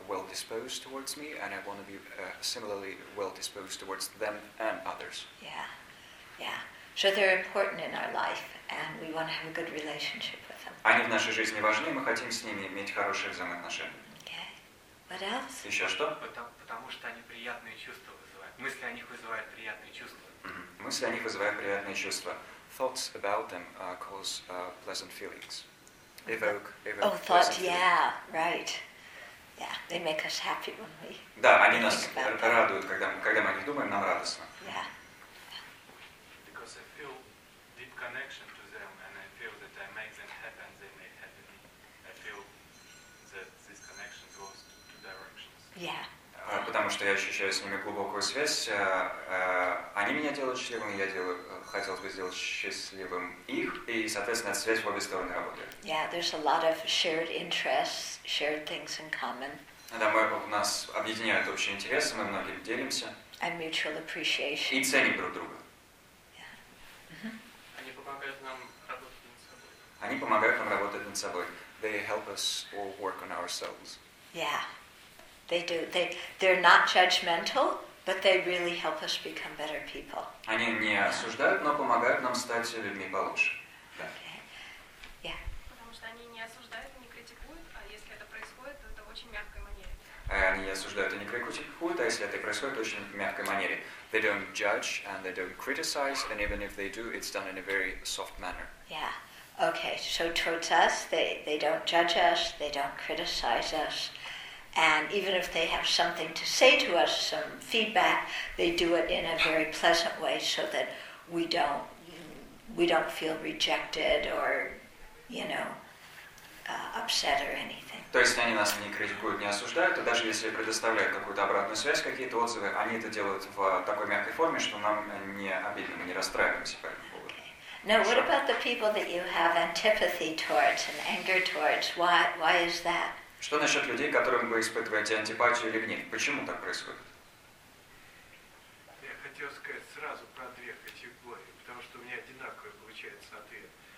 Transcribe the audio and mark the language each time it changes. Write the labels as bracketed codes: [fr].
[en] Disposed towards me, and I want to be similarly well disposed towards them and others. Yeah. So they're important in our life, and we want to have a good relationship with them. [ru] Они в нашей жизни важны, мы хотим с ними иметь хорошие взаимоотношения. [en] Okay. What else? [ru] Еще что? Потому что они приятные чувства вызывают. Мысли о них вызывают приятные чувства. Мысли о них вызывают приятные чувства. [en] Thoughts about them cause pleasant feelings. Evoke. Oh, thoughts. Yeah. Right. Yeah, they make us happy when we. [ru] Да, они нас радуют, когда мы о них думаем, нам радостно. [en] Yeah. Because I feel deep connection to them, and I feel that I make them happy, and they make happy me. I feel that this connection goes to directions. Yeah. [ru] Потому что я ощущаю с ними глубокую связь, они меня делают счастливым, хотелось бы сделать счастливым их, и, соответственно, связь в обе стороны работает. [en] Yeah, there's a lot of shared interests, shared things in common. [ru] Да, нас объединяют общие интересы, мы многим делимся. [en] And mutual appreciation. [ru] И ценим друг друга. [en] Yeah. [ru] Они помогают нам работать над собой. Они помогают нам работать над собой. [en] They help us all work on ourselves. Yeah. They do. They're not judgmental, but they really help us become better people. [ru] Они не осуждают, но помогают нам стать людьми получше. [en] Okay. Yeah. [ru] Потому что они не осуждают, не критикуют, а если это происходит, то это в очень мягкой манере. Они не осуждают, не критикуют, а если это происходит, то очень в мягкой манере. [en] They don't judge and they don't criticize, and even if they do, it's done in a very soft manner. Yeah. Okay. So towards us, they don't judge us, they don't criticize us. And even if they have something to say to us, some feedback, they do it in a very pleasant way, so that we don't feel rejected or, you know, upset or anything. [ru] То есть они нас не критикуют, не осуждают, и даже если предоставляют какую-то обратную связь, какие-то отзывы, они это делают в такой мягкой форме, что нам не обидно, мы не расстраиваемся по этому поводу. [en] Now, what about the people that you have antipathy towards and anger towards? Why is that? [ru] Что насчет людей, которым вы испытываете антипатию или гнев? Почему так происходит? Я хотел сказать сразу про две категории, потому что у меня одинаковый получается ответ.